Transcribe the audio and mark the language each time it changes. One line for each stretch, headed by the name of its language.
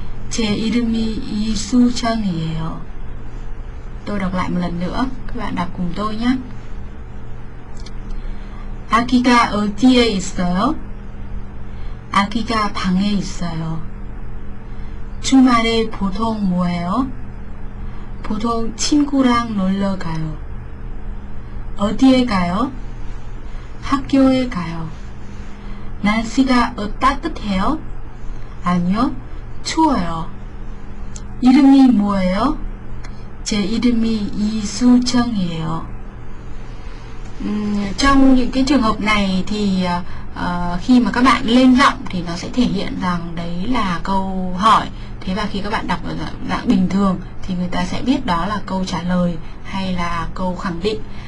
Korean: 제 이름이 이수정이에요.
Vietnamese: Tôi đọc lại một lần nữa, các bạn đọc cùng tôi nhé.
Korean: 아기가 어디에 있어요? 아기가 방에 있어요. 주말에 보통 뭐해요? 보통 친구랑 놀러 가요. 어디에 가요? 학교에 가요. 날씨가 따뜻해요? 아니요, 추워요. 이름이 뭐예요? 제 이름이 이수정이에요.
Vietnamese: Trong những cái trường hợp này thì khi mà các bạn lên giọng thì nó sẽ thể hiện rằng đấy là câu hỏi. Thế và khi các bạn đọc ở dạng bình thường thì người ta sẽ biết đó là câu trả lời hay là câu khẳng định.